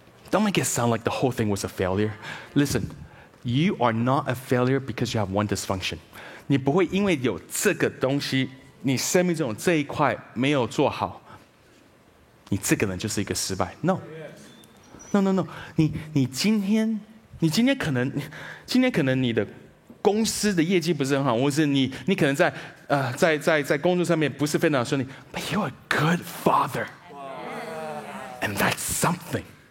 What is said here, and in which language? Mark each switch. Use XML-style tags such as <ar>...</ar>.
<en>Don't make it sound like the whole thing was a failure. Listen, you are not a failure because you have one dysfunction.</en> <zh>你不会因为有这个东西，你生命中这一块没有做好，你这个人就是一个失败。</zh> <en>No.</en> <zh>你今天可能你的公司的业绩不是很好，或是你可能在工作上面不是非常顺利。</zh> <en>But you are a good father, and that's something.</en>